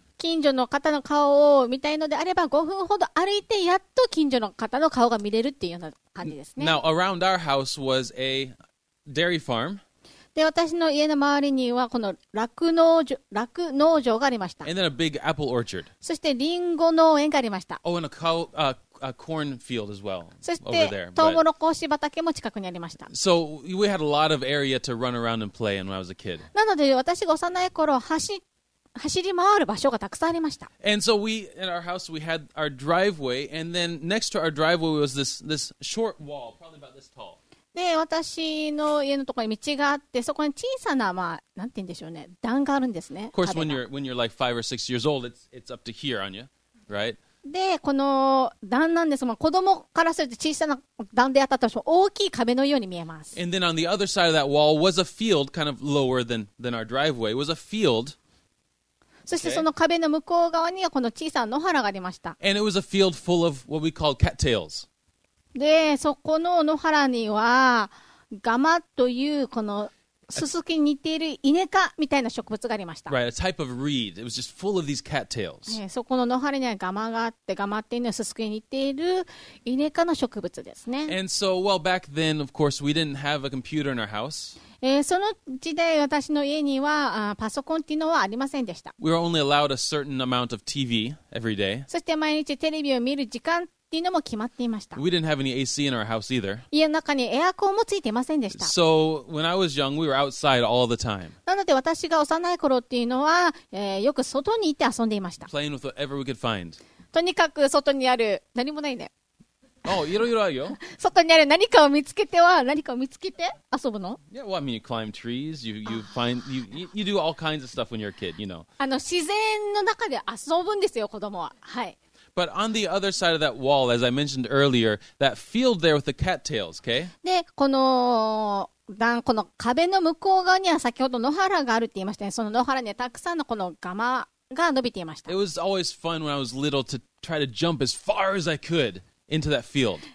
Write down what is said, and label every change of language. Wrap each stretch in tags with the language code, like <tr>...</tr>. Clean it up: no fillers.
<ja>近所の方の顔を見たいのであれば5分ほど歩いてやっと近所の方の顔が見れるっていうような感じですね。</ja> <en>Now around our house was a dairy farm.</en> <ja>で私の家の周りにはこの酪農場がありました。</ja> <en>And then a big apple orchard.</en> <ja>そしてリンゴ農園がありました。</ja> <en>Oh, and a corn field as well.</en> <ja>そしてトウモロコシ畑も近くにありました。</ja> <en>So we had a lot of area to run around and play when I was a kid.</en> <ja>なので私が幼い頃走り回る場所がたくさんありました。</ja> <en>And so we in our house we had our driveway, and then next to our driveway was this short wall, probably about this tall.</en> <ja>で私の家のところに道があって、そこに小さな、まあ、なんて言うんでしょうね、段があるんですね。</ja> <en>Of course, when you're like 5 or 6 years old, it's up to here on you, right?</en> <ja>で、この段なんです、まあ、子供からすると小さな段で当たったとしても大きい壁のように見えます。</ja> <en>And then on the other side of that wall was a field, kind of lower than our driveway, was a field.</en> <ja>そしてその壁の向こう側にはこの小さな野原がありました。</ja> <en>And it was a field full of what we call cattails.</en> <ja>でそこの野原にはガマというこのススキに似ているイネ科みたいな植物がありました。</ja> <en>Right, a type of reed. It was just full of these cattails.</en> <ja>そこの野原にはガマがあって、ガマっていうのはススキに似ているイネ科の植物ですね。</ja> <en>And so, well, back then, of course, we didn't have a computer in our house.</en> <ja>その時代私の家にはパソコンっていうのはありませんでした。</ja> <en>We were only allowed a certain amount of TV every day.</en> <ja>そして毎日テレビを見る時間っていうのも決まっていました。</ja> <en>We didn't have any AC in our house either.</en> <ja>家の中にエアコンもついていませんでした。</ja> <en>So when I was young, we were outside all the time.</en> <ja>なので私が幼い頃っていうのは、よく外に行って遊んでいました。</ja> <en>Playing with whatever we could find.</en> <ja>とにかく外にある何もないね。 Oh, いろいろあるよ。外にある何かを見つけては何かを見つけて遊ぶの？</ja> <en>Yeah, well, I mean, you climb trees, you find, you do all kinds of stuff when you're a kid, you know.</en> <ja>自然の中で遊ぶんですよ、子供は。はい。</ja> <en>But on the other side of that wall, as I mentioned earlier, that field there with the cattails, okay?</en> <ja>で、この壁の向こう側には先ほど野原があるって言いましたね。その野原にはたくさんのこのガマが伸びていました。</ja> <en>It was always fun when I was little to try to jump as far as I could into that field.</en>